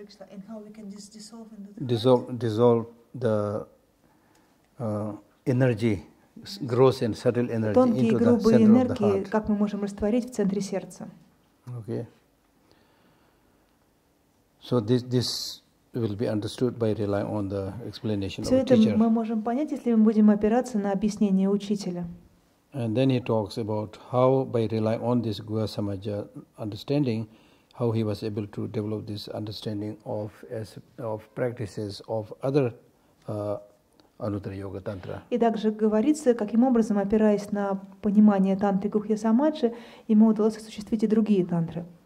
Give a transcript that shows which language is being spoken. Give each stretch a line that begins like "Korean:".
English: And how we can just dissolve into the dissolve the energy, gross and subtle energy into the center of the heart.
Russian: Тонкие и грубые энергии, как мы можем растворить в центре сердца.
English: Okay. So this will be understood by relying on the explanation of the teacher.
Russian: Все это мы можем понять, если мы будем опираться на объяснение учителя.
English: And then he talks about how, by relying on this Guha Samaja understanding, how he was able to develop this understanding of practices of other Анутра Йога Тантра.
Russian: И также говорится, каким образом, опираясь на понимание тантры Гухья Самаджи, ему удалось осуществить и другие тантры.